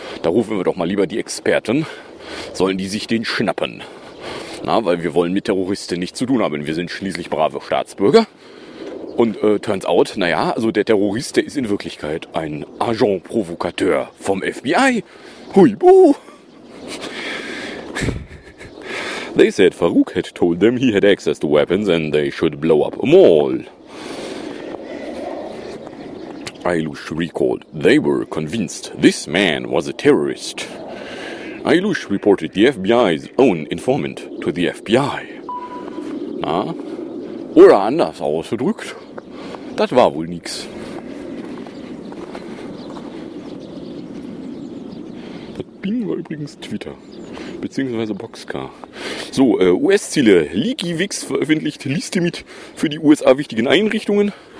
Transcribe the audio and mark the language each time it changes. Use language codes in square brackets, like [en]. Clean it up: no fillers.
[de] Da rufen wir doch mal lieber die Experten. Sollen die sich den schnappen? Na, weil wir wollen mit Terroristen nichts zu tun haben. Wir sind schließlich brave Staatsbürger. Und [en] turns out, [de] naja, also der Terrorist, der ist in Wirklichkeit ein Agent-Provokateur vom FBI. Huibu! [en] They said Farouk had told them he had access to weapons and they should blow up a mall. Ailush recalled, they were convinced this man was a terrorist. Ailush reported the FBI's own informant to the FBI. [de] Na? Oder anders ausgedrückt. Das war wohl nix. Das Bing war übrigens Twitter. Beziehungsweise Boxcar. So, US-Ziele. LeakyWeeks veröffentlicht Liste mit für die USA wichtigen Einrichtungen.